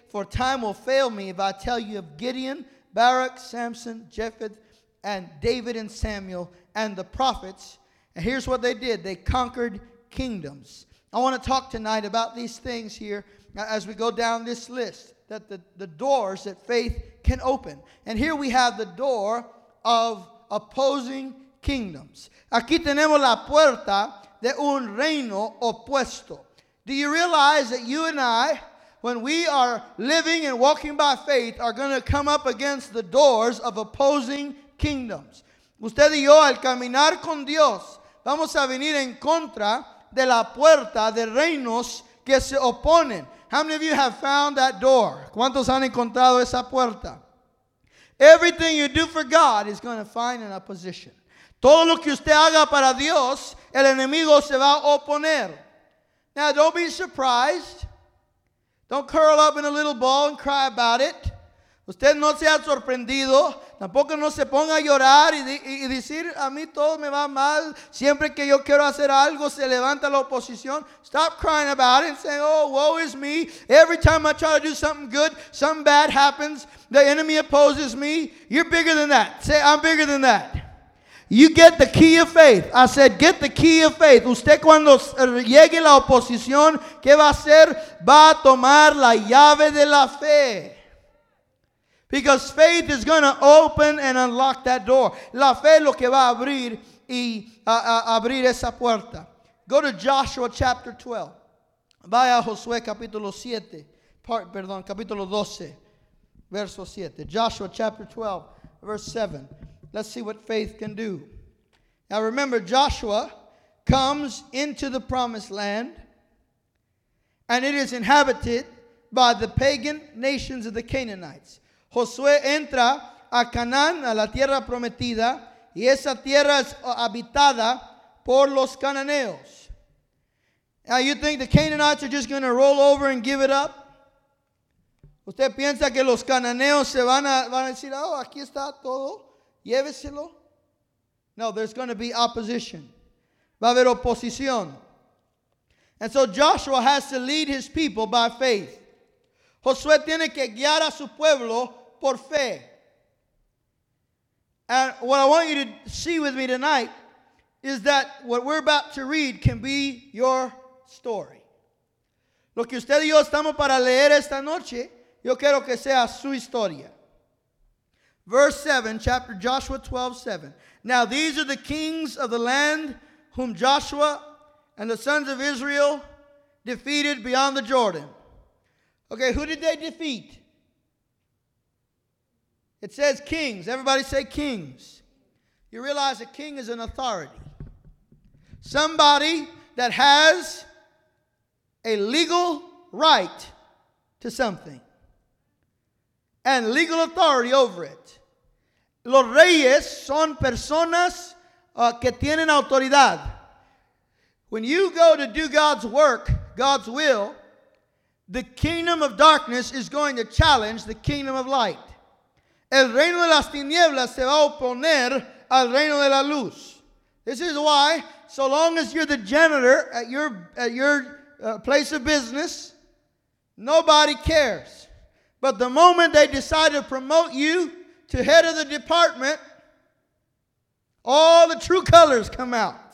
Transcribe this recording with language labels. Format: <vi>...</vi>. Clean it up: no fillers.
<en>For time will fail me if I tell you of Gideon, Barak, Samson, Jephthah, and David and Samuel, and the prophets. And here's what they did. They conquered kingdoms. I want to talk tonight about these things here as we go down this list, that the doors that faith can open. And here we have the door of opposing kingdoms.</en> <es>Aquí tenemos la puerta de un reino opuesto.</es> <en>Do you realize that you and I, when we are living and walking by faith, are going to come up against the doors of opposing kingdoms?</en> <es>Usted y yo, al caminar con Dios, vamos a venir en contra de la puerta de reinos que se oponen.</es> <en>How many of you have found that door?</en> <es>¿Cuántos han encontrado esa puerta?</es> <en>Everything you do for God is going to find an opposition.</en> <es>Todo lo que usted haga para Dios, el enemigo se va a oponer.</es> <en>Now, don't be surprised. Don't curl up in a little ball and cry about it.</en> <es>Usted no sea sorprendido. Tampoco no se ponga a llorar y decir, a mí todo me va mal. Siempre que yo quiero hacer algo, se levanta la oposición.</es> <en>Stop crying about it and saying, oh, woe is me. Every time I try to do something good, something bad happens. The enemy opposes me. You're bigger than that. Say, I'm bigger than that. You get the key of faith. I said, get the key of faith.</en> <es>Usted cuando llegue la oposición, ¿qué va a hacer? Va a tomar la llave de la fe.</es> <en>Because faith is going to open and unlock that door.</en> <es>La fe es lo que va a abrir y abrir esa puerta.</es> <en>Go to Joshua chapter 12.</en> <es>Vaya a Josué capítulo 7. Capítulo 12, verso 7.</es> <en>Joshua chapter 12, verse 7. Let's see what faith can do. Now remember, Joshua comes into the promised land, and it is inhabited by the pagan nations of the Canaanites.</en> <es>Josué entra a Canaán, a la tierra prometida, y esa tierra es habitada por los cananeos.</es> <en>Now you think the Canaanites are just going to roll over and give it up?</en> <es>¿Usted piensa que los cananeos se van a decir, oh, aquí está todo, lléveselo?</es> <en>No, there's going to be opposition.</en> <es>Va a haber oposición.</es> <en>And so Joshua has to lead his people by faith.</en> <es>Josué tiene que guiar a su pueblo por fe.</es> <en>And what I want you to see with me tonight is that what we're about to read can be your story.</en> <es>Lo que usted y yo estamos para leer esta noche, yo quiero que sea su historia.</es> <en>Verse 7, chapter Joshua 12, 7. Now these are the kings of the land whom Joshua and the sons of Israel defeated beyond the Jordan. Okay, who did they defeat? It says kings. Everybody say kings. You realize a king is an authority. Somebody that has a legal right to something. And legal authority over it.</en> <es>Los reyes son personas que tienen autoridad.</es> <en>When you go to do God's work, God's will, the kingdom of darkness is going to challenge the kingdom of light.</en> <es>El reino de las tinieblas se va a oponer al reino de la luz.</es> <en>This is why, so long as you're the janitor at your place of business, nobody cares. But the moment they decide to promote you to head of the department, all the true colors come out.</en>